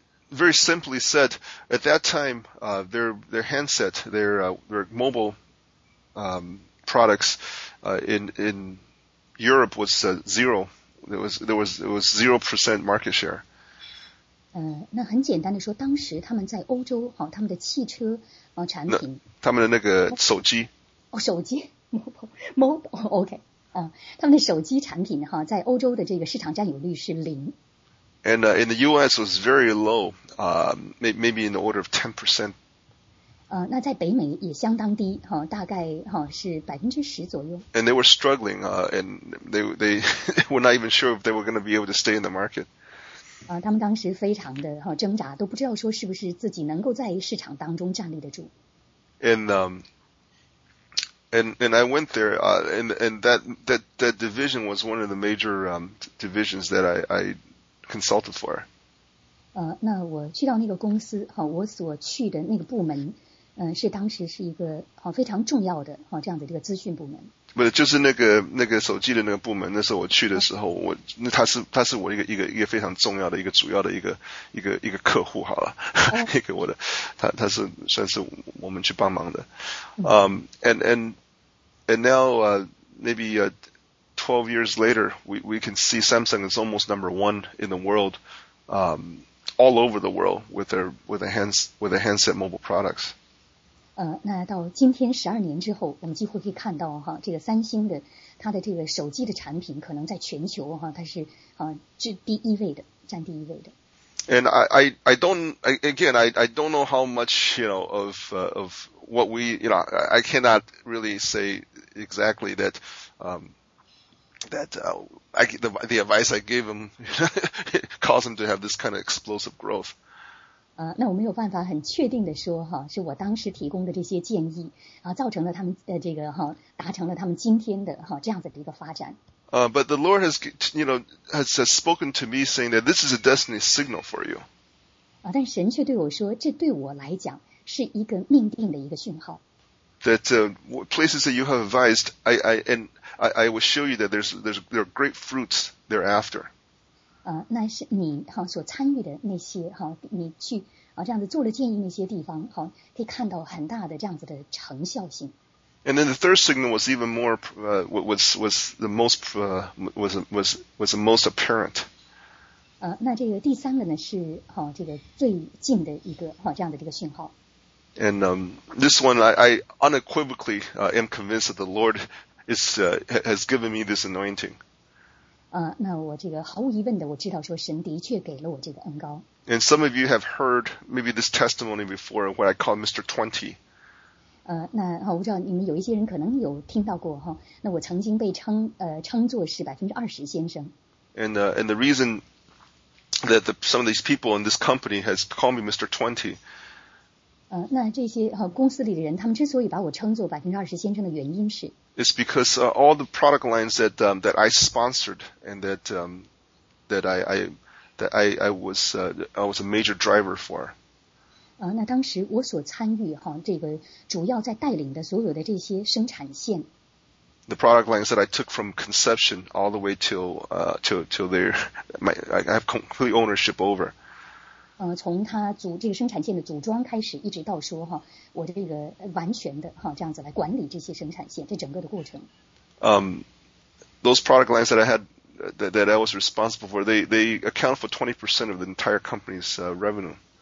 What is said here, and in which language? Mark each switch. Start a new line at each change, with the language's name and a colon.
English: Very simply said, at that time, their handset, their mobile products in Europe was zero. There was 0% market share.
Chinese: 那很简单的说，当时他们在欧洲哈，他们的汽车产品，他们的那个手机。手机
English: mobile OK
Chinese: 他们的手机产品哈，在欧洲的这个市场占有率是零。
English: And in the U.S. was very low, maybe in the order of 10%.
Chinese: 那在北美也相当低，哈，大概哈是10%左右。
English: And they were struggling, and they were not even sure if they were going to be able to stay in the market.
Chinese: 他们当时非常的哈挣扎，都不知道说是不是自己能够在市场当中站立得住。
English: And I went there, and that division was one of the major divisions that I consulted for.
Chinese: 那我去到那个公司，我所去的那个部门，是当时是一个非常重要的这样的一个资讯部门。不是，就是那个手机的那个部门，那时候我去的时候，他是我一个非常重要的一个主要的一个客户好了，一个我的，他是算是我们去帮忙的。
English: And now maybe 12 years later, we can see Samsung is almost number one in the world, all over the world with their handset mobile products.
Chinese: 那到今天12年之后，我们几乎可以看到哈，这个三星的它的这个手机的产品可能在全球哈，它是是第一位的，占第一位的。
English: And I don't know how much you know of what we you know I cannot really say exactly that. The advice I gave him caused him to have this kind of explosive growth.
Chinese: 那我没有办法很确定的说哈，是我当时提供的这些建议啊，造成了他们这个哈，达成了他们今天的哈这样子的一个发展。
English: But the Lord has spoken to me saying that this is a destiny signal for you.
Chinese: 但神却对我说，这对我来讲是一个命定的一个讯号。
English: That places that you have advised, I will show you that there are great fruits thereafter.
Chinese: 那是你哈所参与的那些哈，你去这样子做了建议那些地方哈，可以看到很大的这样子的成效性。
English: And then the third signal was even more was the most apparent.
Chinese: 那这个第三个呢是哈这个最近的一个哈这样的一个讯号。
English: And this one, I unequivocally am convinced that the Lord has given me this anointing.
Chinese: 那我这个毫无疑问的，我知道说神的确给了我这个恩膏。
English: And some of you have heard maybe this testimony before, what I call Mr. 20.
Chinese: 那我不知道你们有一些人可能有听到过哈。那我曾经被称作是20%先生。
English: And the reason that some of these people in this company has called me Mr. 20.
Chinese: 那这些公司里的人，他们之所以把我称作20%先生的原因是
English: ，It's because all the product lines that that I sponsored and that that I was a major driver for.
Chinese: 那当时我所参与这个主要在带领的所有的这些生产线
English: the product lines that I took from conception all the way till they're my, I have complete ownership over.
Chinese: 从他组这个生产线的组装开始，一直到说哈，我这个完全的哈这样子来管理这些生产线，这整个的过程。
English: Those product lines that I had that I was responsible for, they account for 20% of the entire company's revenue.